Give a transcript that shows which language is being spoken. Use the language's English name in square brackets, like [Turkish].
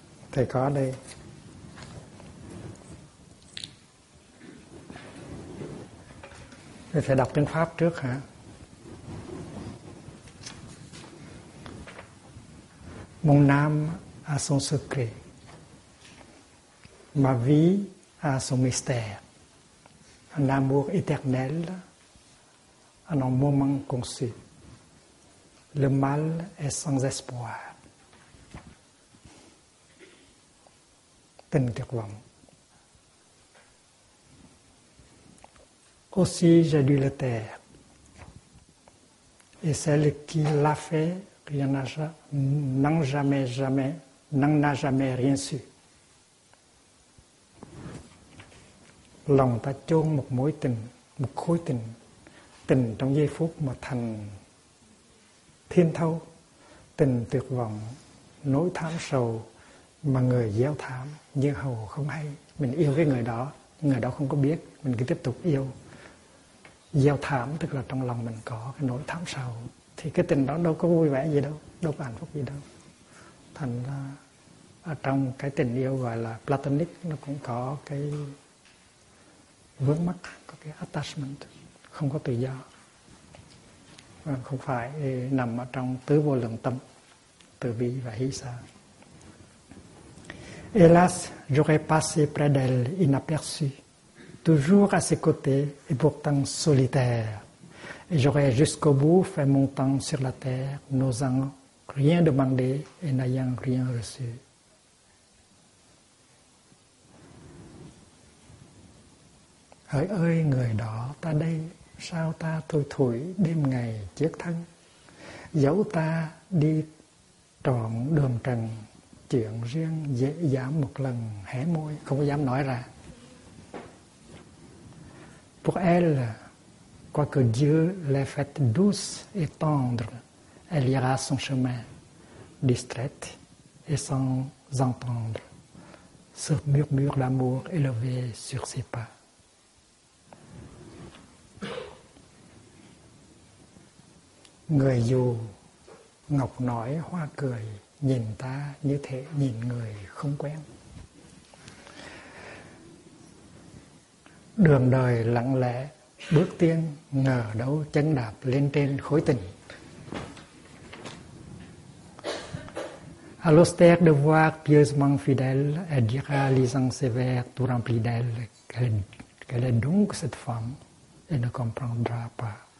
[Vietnamese] Thầy có đây. Thầy phải đọc tiếng Pháp trước hả? [French] Mon âme a son secret, ma vie a son mystère, un amour éternel, un moment conçu, le mal est sans espoir. [Vietnamese] Tình tuyệt vọng. [French] Aussi j'ai dû le taire, et celle qui l'a fait n'en a jamais rien su. [Vietnamese] Lòng ta chôn một mối tình, một khối tình, tình trong giây phút mà thành thiên thâu, tình tuyệt vọng, nỗi thám sầu mà người gieo thám như hầu không hay. Mình yêu cái người đó, người đó không có biết, mình cứ tiếp tục yêu. Gieo thám tức là trong lòng mình có cái nỗi thám sầu, thì cái tình đó đâu có vui vẻ gì đâu, đâu có hạnh phúc gì đâu. Thành ra trong cái tình yêu gọi là platonic nó cũng có cái vướng mắc, có cái attachment, không có tự do. Và không phải nằm ở trong tứ vô lượng tâm, từ bi và hỷ xả. [French] Hélas, j'aurais passé près d'elle inaperçu, toujours à ses côtés et pourtant solitaire. Et j'aurais jusqu'au bout fait mon temps sur la terre, n'osant rien demander et n'ayant rien reçu. [Vietnamese] Hỡi ơi người đó ta đây, sao ta thôi thủi đêm ngày chiếc thân, dẫu ta đi trọn đường trần, chuyện riêng dễ dám một lần hé môi, không có dám nói ra. [French] Pour elle, quoique Dieu l'ait faite douce et tendre, elle ira son chemin, distraite et sans entendre ce murmure d'amour élevé sur ses pas. [Vietnamese] Người dù ngọc nói hoa cười, nhìn ta như thế nhìn người không quen. Đường đời lặng lẽ bước tiên, ngờ đâu chân đạp lên trên khối tình. [French] Alostair de voir pieusement fidèle et dira les ans sévères tout rempli d'elle qu'elle est donc cette femme et ne comprendra pas.